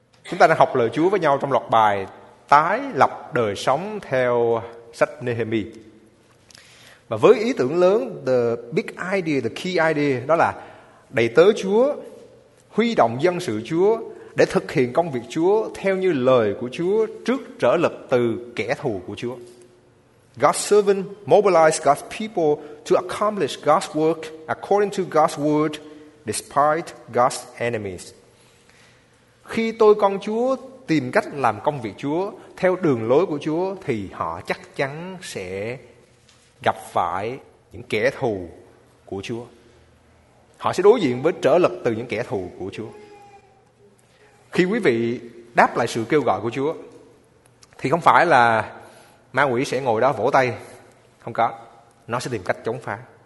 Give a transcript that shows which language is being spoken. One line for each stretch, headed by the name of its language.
Vietnamese: Chúng ta đang học lời Chúa với nhau trong loạt bài Tái lập đời sống theo sách Nehemi. Và với ý tưởng lớn,
English: the big idea, the key idea,
Vietnamese: đó là đầy tớ Chúa, huy động dân sự Chúa để thực hiện công việc Chúa theo như lời của Chúa trước trở lực từ kẻ thù của Chúa.
English: God's servant mobilize God's people to accomplish God's work according to God's word despite God's enemies.
Vietnamese: Khi tôi con Chúa tìm cách làm công việc Chúa theo đường lối của Chúa thì họ chắc chắn sẽ gặp phải những kẻ thù của Chúa. Họ sẽ đối diện với trở lực từ những kẻ thù của Chúa. Khi quý vị đáp lại sự kêu gọi của Chúa, thì không phải là ma quỷ sẽ ngồi đó vỗ tay. Không có. Nó sẽ tìm cách chống phá.